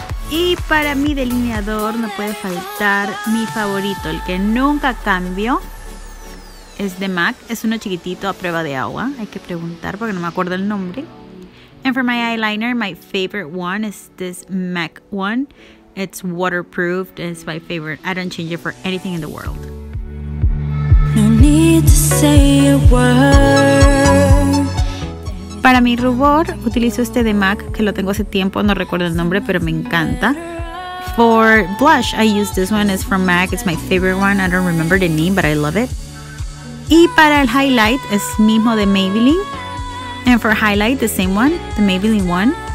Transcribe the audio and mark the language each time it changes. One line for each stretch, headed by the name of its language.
Spanish: Y para mi delineador no puede faltar mi favorito, el que nunca cambio. Es de MAC, es uno chiquitito a prueba de agua. Hay que preguntar porque no me acuerdo el nombre.
English: And for my eyeliner, my favorite one is this MAC one. It's waterproof. It's my favorite. I don't change it for anything in the world. No need to say a word.
Spanish: Para mi rubor, utilizo este de MAC, que lo tengo hace tiempo. No recuerdo el nombre, pero me encanta.
English: For blush, I use this one. It's from MAC. It's my favorite one. I don't remember the name, but I love it.
Spanish: Y para el highlight, es mismo de Maybelline.
English: And for highlight, the same one, the Maybelline one.